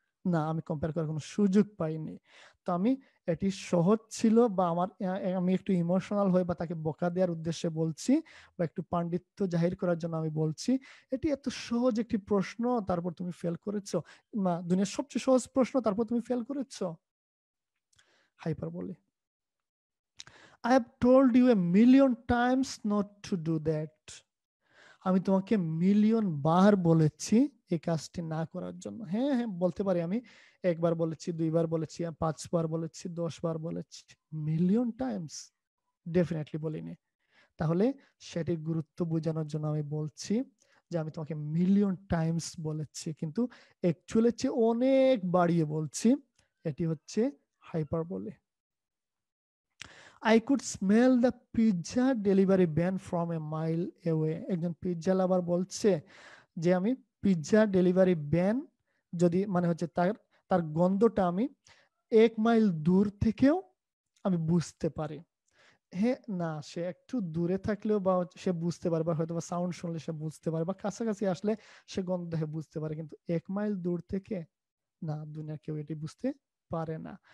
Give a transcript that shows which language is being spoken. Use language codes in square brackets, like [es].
[bn] না, আমি কম্পেয়ার করার কোনো সুযোগ পাইনি। তো আমি এটি সহজ ছিল বা আমার আমি একটু ইমোশনাল হয়ে বা তাকে বকা দেওয়ার উদ্দেশ্যে বলছি বা একটু পাণ্ডিত্য জাহির করার জন্য আমি বলছি এটি এত সহজ একটি প্রশ্ন, তারপর তুমি ফেল করেছো, না দুনিয়ার সবচেয়ে সহজ প্রশ্ন তারপর তুমি ফেল করেছো, হাইপার বলে। [en] I have told you a million times not to do that. [bn] আমি তোমাকে মিলিয়ন বার বলেছি এই কাজটি না করার জন্য। হ্যাঁ হ্যাঁ, বলতে পারি আমি একবার বলেছি, দুইবার বলেছি, পাঁচবার বলেছি, দশবার বলেছি, মিলিয়ন টাইমস ডেফিনেটলি বলিনি। তাহলে সেটির গুরুত্ব বোঝানোর জন্য আমি বলছি যে আমি তোমাকে মিলিয়ন টাইমস বলেছি, কিন্তু অ্যাকচুয়ালের চেয়ে অনেক বাড়িয়ে বলছি, এটি হচ্ছে হাইপার বলে। [en] I could smell the pizza delivery van from a mile away. [bn] একজন পিজ্জা লাভার বলছে যে আমি পিজ্জা ডেলিভারি ভ্যান যদি, মানে হচ্ছে তার গন্ধটা আমি এক মাইল দূর থেকেও আমি বুঝতে পারি। হ্যাঁ না, সে একটু দূরে থাকলেও বা সে বুঝতে পারে বা হয়তো বা সাউন্ড শুনলে সে বুঝতে পারে বা কাছাকাছি আসলে সে গন্ধে বুঝতে পারে, কিন্তু এক মাইল দূর থেকে না, দুনিয়ার কেউ এটি বুঝতে পারে না।